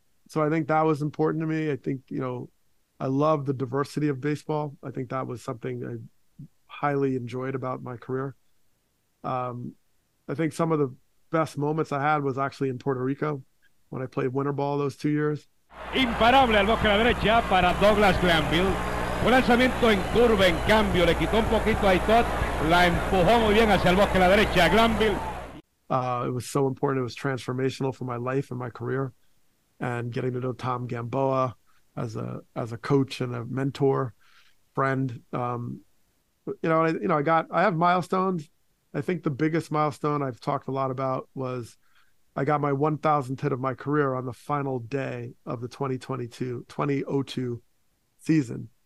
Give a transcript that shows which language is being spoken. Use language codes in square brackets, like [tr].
[en] So I think that was important to me. I think, you know, I love the diversity of baseball. I think that was something I highly enjoyed about my career. I think some of the best moments I had was actually in Puerto Rico when I played winter ball those 2 years. [es] Imparable al bosque a la derecha para Douglas Glanville. Un lanzamiento en curva, en cambio, le quitó un poquito a Itot, la empujó muy bien hacia el bosque a la derecha, Glanville. [en] It was so important. It was transformational for my life and my career. And getting to know Tom Gamboa as a coach and a mentor, friend, I have milestones. I think the biggest milestone I've talked a lot about was I got my 1,000th hit of my career on the final day of the 2002 season.